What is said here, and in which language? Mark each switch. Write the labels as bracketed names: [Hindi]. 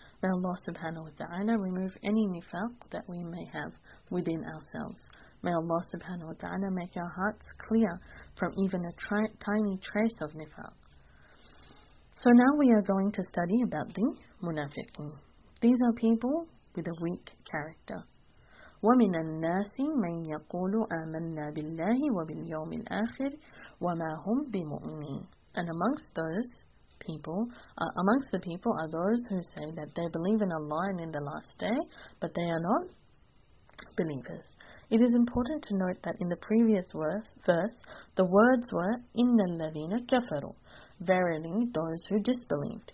[English] May Allah subhanahu wa ta'ala remove any nifaq that we may have within ourselves. May Allah subhanahu wa ta'ala make our hearts clear from even a tiny trace of nifaq. So now we are going to study about the munafiqeen. These are people with a weak character. [Arabic] وَمِنَ النَّاسِ مَنْ يَقُولُ آمَنَّا بِاللَّهِ وَبِالْيَوْمِ الْآخِرِ وَمَا هُمْ بِمُؤْمِنِينَ. [English] And amongst those people, amongst the people are those who say that they believe in Allah and in the last day, but they are not believers. It is important to note that in the previous verse, the words were [Arabic] إِنَّ الَّذِينَ كَفَرُوا, [English] verily those who disbelieved.